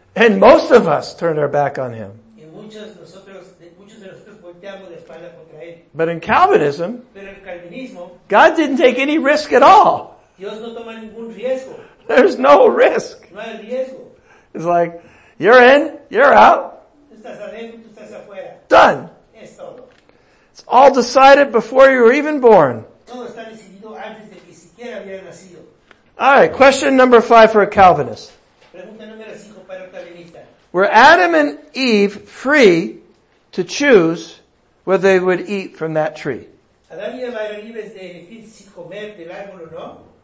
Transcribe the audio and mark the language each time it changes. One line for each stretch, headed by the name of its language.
English: And most of us turned our back on Him.
Spanish: Y muchos de nosotros volteamos de espalda contra él.
English: But in Calvinism,
Spanish: pero el calvinismo,
English: God didn't take any risk at all.
Spanish: Dios no toma ningún riesgo.
English: There's no risk.
Spanish: No hay riesgo.
English: It's like, you're in, you're out.
Spanish: Estás adentro, tú estás afuera.
English: Done.
Spanish: Es todo.
English: It's all decided before you were even born.
Spanish: Todo está decidido antes de que siquiera había nacido.
English: All right, question number 5 for a Calvinist.
Spanish: Pregunta número 5 para un calvinista.
English: Were Adam and Eve free to choose whether they would eat from that tree?
Spanish: Adán y Eva eran libres de elegir si comer del árbol o no.